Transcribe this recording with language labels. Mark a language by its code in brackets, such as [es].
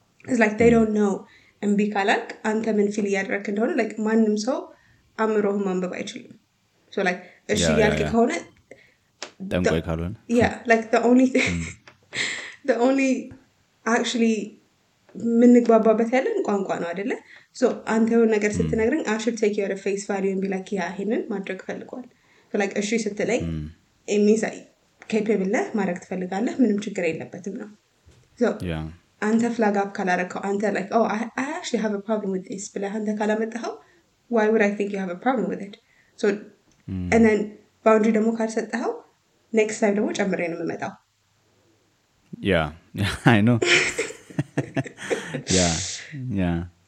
[en] It's like they don't know and [am] ቢካላክ አንተ ምን ፊል ያደረክ እንደሆነ like ማንንም ሰው አምሮህ ማንበብ አይችልም. So like እሺ ያልክ ከሆነ ጠንቆይ ካልሆነ. [en] Yeah, like the only thing the only actually [am] ምንግባባበት ያለን ቋንቋ ነው አይደለ? [en] So [am] አንተ የሆነ ነገር ስትነግረኝ [en] I should take you at a face value and be like yeah [am] ይሄንን ማድረግ ፈልጓል. [en] So like [am] እሺ ስትለኝ እሚሳይ capable ነህ ማድረግ ትፈልጋለህ ምንም ችግር የለበትም ነው. [en] So yeah አንተ flag up ካላረከው አንተ like oh I actually have a problem with this [am] ብለህ አንተ ካላመጣኸው [en] why would I think you have a problem with it? [am] So and then boundary ደግሞ ካልሰጠኸው [en] next time [am] ደግሞ ጨምሬ ነው የምመጣው. [en] Yeah, I know. Yeah, yeah.